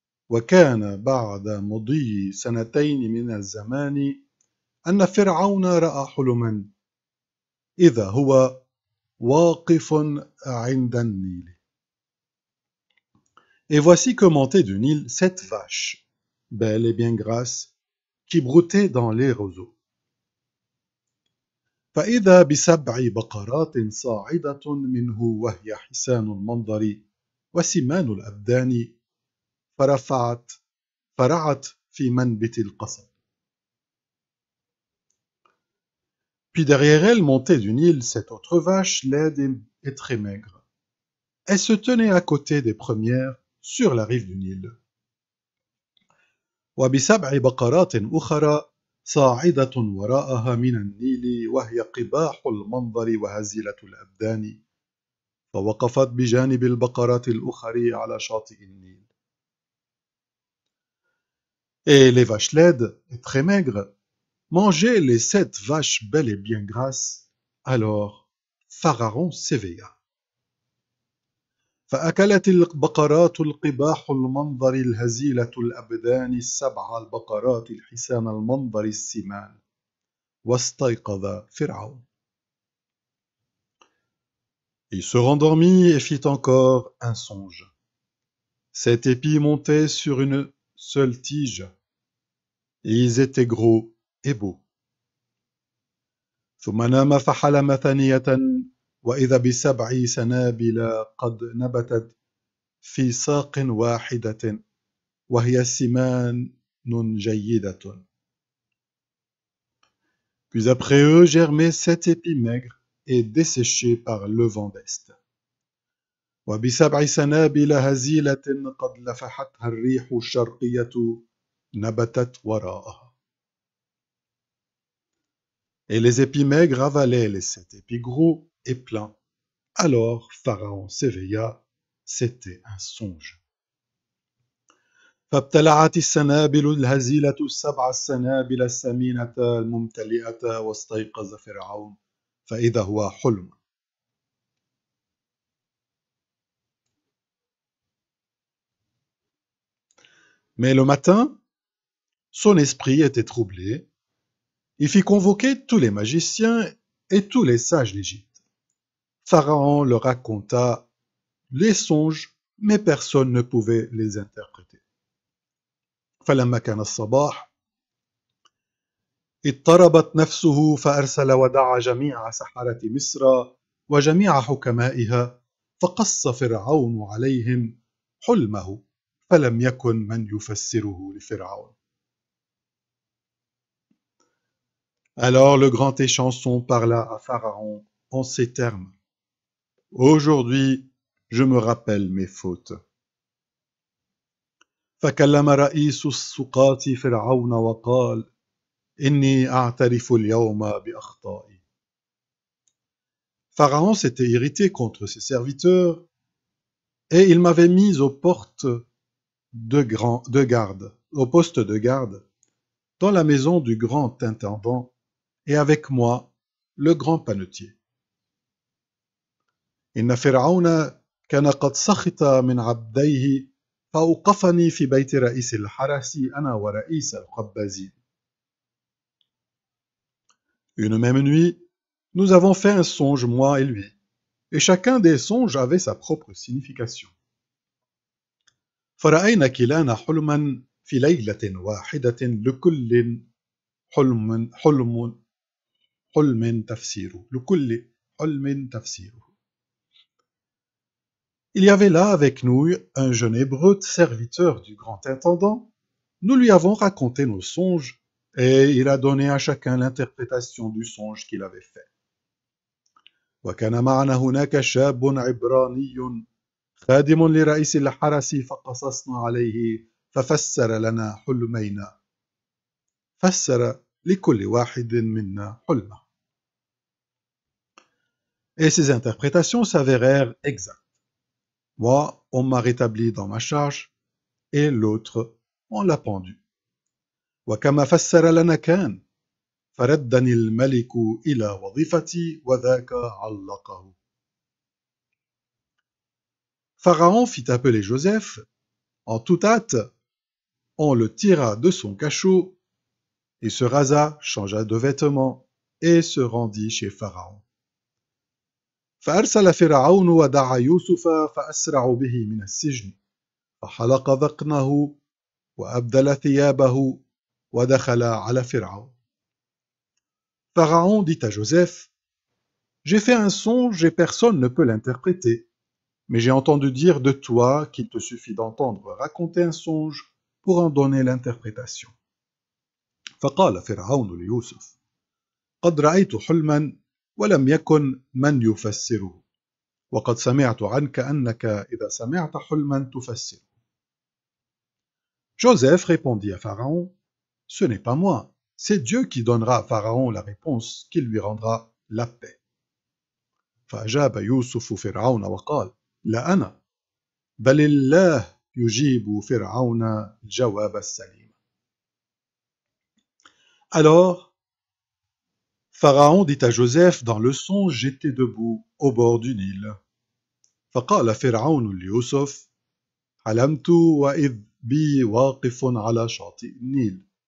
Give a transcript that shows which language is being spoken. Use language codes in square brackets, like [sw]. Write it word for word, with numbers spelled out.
[ar] وَكَانَ بَعْدَ مُضِيِّ سَنَتَيْنِ مِنَ الزَّمَانِ أَنَّ فِرْعَوْنَ رَأَى حُلُمًا إِذَا هُوَ وَاقِفٌ عِنْدَ النِّيلِ. [fr] Et voici que montaient du Nil sept vaches, belle et bien grasse, qui broutait dans les roseaux. [ar] فإذا بسبع بقرات صاعدة منه وهي حسان المنظر وسمان الأبدان فرفعت فرعت في منبت القصب. [fr] Puis derrière elle montait du Nil cette autre vache, laide et très maigre. Elle se tenait à côté des premières, sur la rive du Nil. [ar] وبسبع بقرات أخرى صاعدة وراءها من النيل وهي قباح المنظر وهزيلة الأبدان فوقفت بجانب البقرات الأخرى على شاطئ النيل. [fr] Et les vaches laides et très maigres mangeaient les sept vaches belles et bien grasses. Alors Pharaon s'éveilla. [ar] فأكلت البقرات القباح المنظر الهزيلة الأبدان السبع البقرات الحسان المنظر السمان واستيقظ فرعون. [fr] Il se rendormit et fit encore un songe. Sept épis montaient sur une seule tige, et ils étaient gros et beaux. [ar] ثم نام فحلم ثانية وإذا بسبع سنابل قد نبتت في ساق واحدة وهي سمان جيدة. [fr] Puis après eux germaient sept épis maigres et desséchés par le vent d'est. [ar] وبسبع سنابل هزيلة قد لفحتها الريح الشرقية نبتت وراءها. [fr] Et les épis maigres avalaient les sept épis gros et plein. Alors Pharaon s'éveilla, c'était un songe. [ar] فابتلعت السنابل الهزيلة السبع السنابل السمينة الممتلئة واستيقظ فرعون فإذا هو حلم. [fr] Mais le matin, son esprit était troublé. Il fit convoquer tous les magiciens et tous les sages d'Égypte. Pharaon leur raconta les songes, mais personne ne pouvait les interpréter. [ar] فلما كان الصباح اضطربت نفسه فأرسل ودعا جميع سحرة مصر وجميع حكمائها فقص فرعون عليهم حلمه فلم يكن من يفسره لفرعون. [fr] Alors le grand échanson parla à Pharaon en ces termes. Aujourd'hui, je me rappelle mes fautes. [ar] فكلم رئيس السقاة فرعون وقال إني أعترف اليوم بأخطائي. [fr] Pharaon s'était irrité contre ses serviteurs et il m'avait mis aux portes de, grand, de garde, au poste de garde, dans la maison du grand intendant et avec moi le grand panetier. [ar] إن فرعون كان قد سخط من عبديه فأوقفني في بيت رئيس الحرس أنا ورئيس القبازين. [fr] Une même nuit, nous avons fait un songe, moi et lui, et chacun des songes avait sa propre signification. [ar] فرأينا كلانا حلما في ليلة واحدة لكل حلم حلم حلم تفسيره لكل حلم تفسيره. [fr] Il y avait là avec nous un jeune Hébreu, serviteur du grand intendant. Nous lui avons raconté nos songes et il a donné à chacun l'interprétation du songe qu'il avait fait. [ar] وكان معنا هناك شاب عبراني خادم لرئيس الحرس فقصصنا عليه ففسر لنا حلمينا فسر لكل واحد منا حلمه. [fr] Et ces interprétations s'avérèrent exactes. Moi, on m'a rétabli dans ma charge, et l'autre, on l'a pendu. [ar] وكما فسر لنا كان: فردني الملك إلى وظيفتي وذاك علقه. [fr] Pharaon fit appeler Joseph en toute hâte. On le tira de son cachot, il se rasa, changea de vêtements et se rendit chez Pharaon. [ar] فأرسل فرعون ودعا يوسف فأسرع به من السجن، فحلق ذقنه وأبدل ثيابه ودخل على فرعون. [fr] Pharaon dit à Joseph: « J'ai fait un songe et personne ne peut l'interpréter, mais j'ai entendu dire de toi qu'il te suffit d'entendre raconter un songe pour en donner l'interprétation. » [ar] فقال فرعون ليوسف: « قد رأيت حلما ولم يكن من يفسره، وقد سمعت عنك أنك إذا سمعت حلما تفسره. [fr] » Joseph répondit à Pharaon: « Ce n'est pas moi, c'est Dieu qui donnera à Pharaon la réponse qui lui rendra la paix. » [ar] فأجاب يوسف فرعون وقال: لا أنا بل الله يجيب فرعون الجواب السليم. [fr] Alors, Pharaon dit à Joseph dans le songe: j'étais debout au bord du Nil. [ar] فقال فرعون ليوسف: حلمت وإذ بي واقف على شاطئ النيل.